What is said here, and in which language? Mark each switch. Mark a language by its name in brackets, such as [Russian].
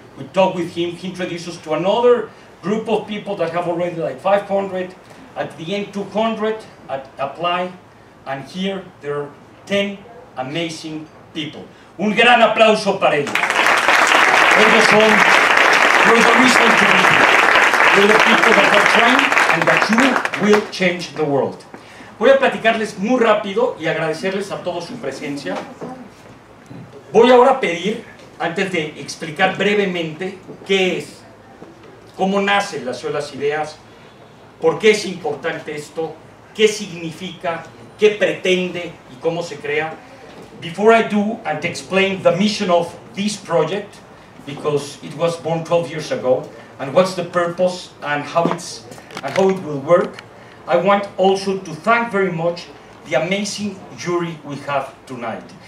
[English] We talked with him, he introduced us to another group of people that have already like 500, at the end 200 at apply, and here there are 10 amazing people. [Spanish] Un gran aplauso para ellos. Ellos son, [English] you're the reason to be here. You're the people that have trained and that you will change the world. [Spanish] Voy a platicarles muy rápido y agradecerles a todos su presencia. Voy ahora a pedir, antes de explicar brevemente qué es, cómo nacen las Ciudad de las Ideas, por qué es importante esto, qué significa, qué pretende y cómo se crea. [English] Before I do and explain the mission of this project, because it was born 12 years ago, and what's the purpose and how it will work, I want also to thank very much the amazing jury we have tonight.